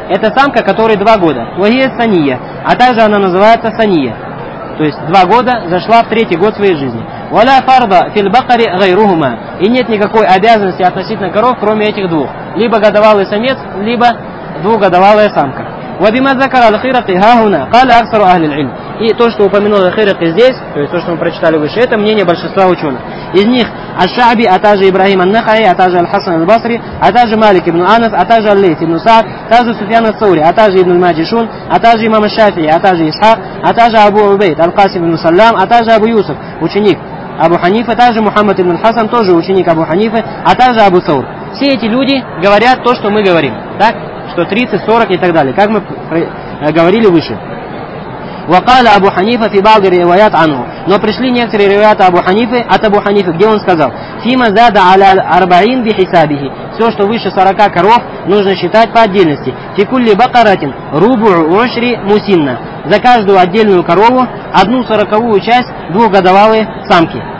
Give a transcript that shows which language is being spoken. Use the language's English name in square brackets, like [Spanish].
[Russian] Это самка, которой 2 года. [Arabic] «Вагия санья». [Russian] А также она называется санья. То есть 2 года, зашла в 3-й год своей жизни. [Arabic] «Валя фарда фил бакари гайрухума». [Russian] И нет никакой обязанности относительно коров, кроме этих двух. Либо годовалый самец, либо двухгодовалая самка. [Arabic] وبما ذكر الخيرقي هاهنا قال أكثر أهل العلم. [Russian] И то, что упомянул Хирики здесь, то есть то, что мы прочитали выше, это мнение большинства ученых. Из них Аш-Шааби, а также Ибрахим ан-Нахаи, а также Аль-Хасан аль-Басри, а также Малик ибн Анас, а также Аль-Лейт ибн Саад, а также Суфьян ас-Саури, а также ибн Маджишун, а также имам Аш-Шафии, а также Исхак, а также Абу Убейд, Аль-Касим ибн Саллам, а также Абу Юсуф, ученик Абу Ханифы, а также Мухаммад ибн Хасан, тоже ученик Абу Ханифы, а также Абу Саур. Все эти люди говорят то, что мы говорим, так? Что 30, 40 и так далее, как мы говорили выше. [Arabic] وقال أبو حنيفة في بعض الروايات عنه. [Russian] Но пришли некоторые ревиаты Абу Ханифы от Абу Ханифы, где он сказал: [Arabic] «Фима зада аля арбаин бихисабихи». [Russian] Все, что выше 40 коров, нужно считать по отдельности. [Arabic] «Фикулли бакаратин рубу ушри мусинна». [Russian] За каждую отдельную корову одну сороковую часть двухгодовалые самки.